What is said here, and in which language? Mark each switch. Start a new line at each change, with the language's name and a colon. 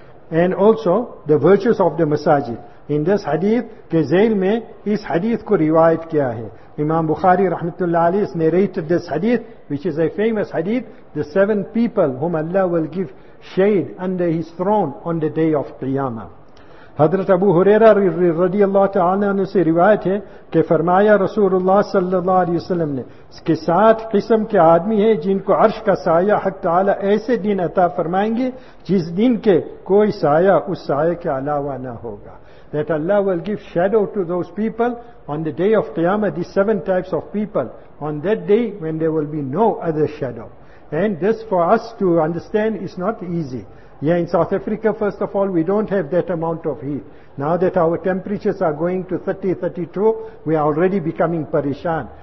English: And also, the virtues of the masajid. In this hadith,
Urdu: ke zail mein, is hadith ko riwayat kiya hai.
English: Imam Bukhari rahmatullah alayhi has narrated this hadith, which is a famous hadith, the seven people whom Allah will give shade under his throne on the day of Qiyamah.
Urdu: حضرت ابو ہریرہ رضی اللہ تعالیٰ عنہ سے روایت ہے کہ فرمایا رسول اللہ صلی اللہ علیہ وسلم نے اس کے سات قسم کے آدمی ہیں جن کو عرش کا سایہ حق تعالیٰ ایسے دن عطا فرمائیں گے جس دن کے کوئی سایہ اس سایہ کے علاوہ نہ ہوگا.
English: That Allah will give shadow to those people on the day of Qiyamah, these seven types of people, on that day when there will be no other shadow. And this for us to understand is not easy. Yeah, in South Africa, first of all, we don't have that amount of heat. Now that our temperatures are going to 30, 32, we are already becoming parishan.